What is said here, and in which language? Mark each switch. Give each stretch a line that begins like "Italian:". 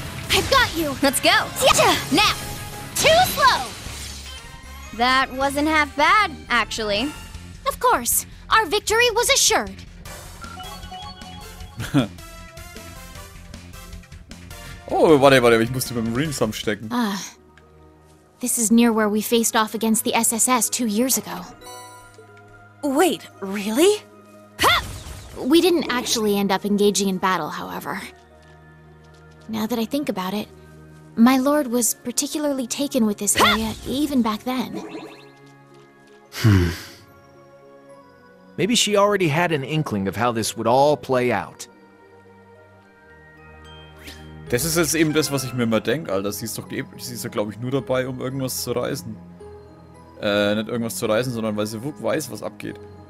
English: I've got you! Let's go! Yeah. Now! Too slow! That wasn't half bad, actually. Of course! Our victory was assured!
German: Oh, warte, ich musste beim Marine Sum stecken.
English: This is near where we faced off against the SSS 2 years ago. Wait, really? We didn't actually end up engaging in battle, however. Now that I think about it, my lord was particularly taken with this area even back then. Hmm. Maybe she already had an inkling of how this would all play out.
German: Das ist jetzt eben das, was ich mir immer denke, Alter. Sie ist doch, glaube ich, nur dabei, um irgendwas zu reißen. Nicht irgendwas zu reißen, sondern weil sie weiß, was abgeht.